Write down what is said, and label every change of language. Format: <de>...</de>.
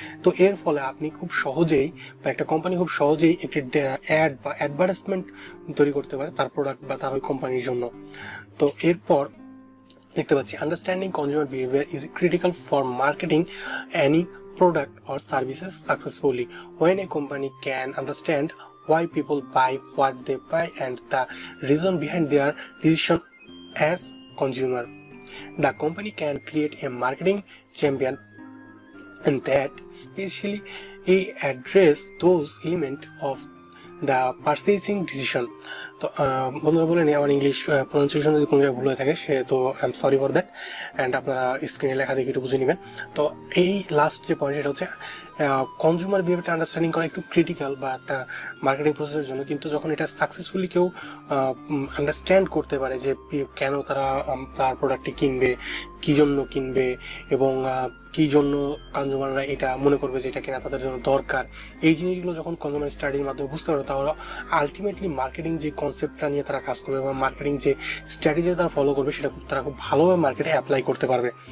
<bn>তো এর ফলে আপনি খুব সহজেই বা একটা কোম্পানি খুব সহজেই একটি অ্যাড বা অ্যাডভার্টাইজমেন্ট তৈরি করতে পারে তার প্রোডাক্ট বা তার ওই কোম্পানির জন্য। তো এরপর দেখতে পাচ্ছি</bn> <en>Understanding consumer behaviour is critical for marketing any product or services successfully. When a company can understand why people buy what they buy and the reason behind their decision as consumer, the company can create a marketing champion that specially address those element of the purchasing decision.</en> <bn>তো বন্ধুরা বলে নিই, আমার English pronunciation যদি কোনো জায়গায় ভুল হয়ে থাকে সে তো</bn> <en>I am sorry for that,</en> <bn>and আপনারা স্ক্রিনে লেখা দেখে একটু বুঝে নেবেন। তো এই লাস্ট যে পয়েন্ট সেটা হচ্ছে কনজিউমার বিহেভিয়ারটা আন্ডারস্ট্যান্ডিং করা একটু ক্রিটিক্যাল বা একটা মার্কেটিং প্রসেসের জন্য, কিন্তু যখন এটা সাকসেসফুলি কেউ আন্ডারস্ট্যান্ড করতে পারে যে কেন তারা তার প্রোডাক্টটি কিনবে, কী জন্য কিনবে এবং কী জন্য কনজিউমাররা এটা মনে করবে যে এটা কেনা তাদের জন্য দরকার, এই জিনিসগুলো যখন কনজিউমার স্টাডির মাধ্যমে বুঝতে পারো, তাহলে আলটিমেটলি মার্কেটিং যে কনসেপ্টটা নিয়ে তারা কাজ করবে বা মার্কেটিং যে স্ট্র্যাটেজি তারা ফলো করবে সেটা তারা খুব ভালোভাবে মার্কেটে অ্যাপ্লাই করতে পারবে,</bn>